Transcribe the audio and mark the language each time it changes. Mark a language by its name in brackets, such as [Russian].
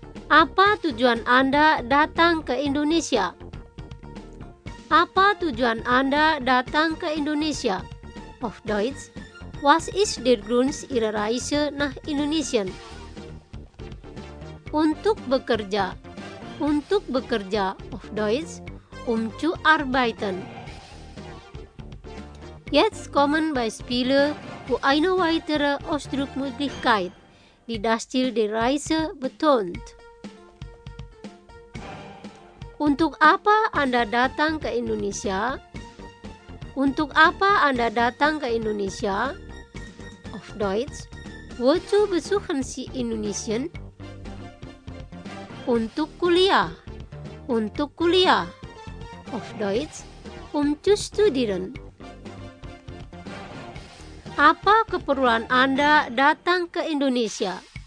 [Indonesian] Apa tujuan Anda datang ke Indonesia? Apa tujuan Anda datang ke Indonesia? [German] Auf Deutsch, was ist der Grund Ihrer Reise nach Indonesien? Untuk bekerja, auf Deutsch, zu arbeiten. Jetzt kommen Beispiele für eine weitere Ausdruckmöglichkeit, die das Ziel der Reise betont. [Indonesian] Untuk apa Anda datang ke Indonesia? Untuk apa Anda datang ke Indonesia? [German] Auf Deutsch, wozu besuchen Sie Indonesien? Untuk kuliah, auf Deutsch, zu studieren. [Indonesian] Apa keperluan Anda datang ke Indonesia?